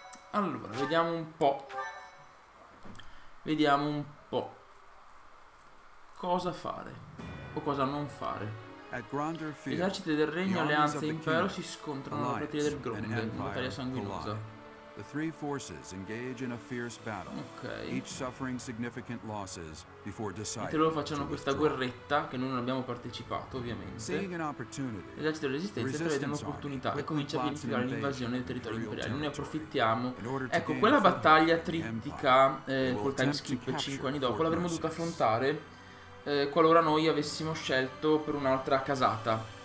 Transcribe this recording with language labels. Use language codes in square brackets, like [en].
[it] Allora, vediamo un po'. Vediamo un po'. Cosa fare o cosa non fare. Esercito del Regno, Alleanza e Impero si scontrano alla prateria del Gronde, una battaglia sanguinosa. [en] The three forces engage in a fierce battle, okay. Each suffering significant losses before deciding. [it] Mentre loro facciano questa guerretta, che noi non abbiamo partecipato, ovviamente. [en] Seeing an opportunity, [it] l'esercito della resistenza prevede un'opportunità e comincia a pianificare l'invasione del territorio imperiale. Noi ne approfittiamo. Ecco, quella battaglia trittica col time skip 5 anni dopo l'avremmo dovuto affrontare qualora noi avessimo scelto per un'altra casata.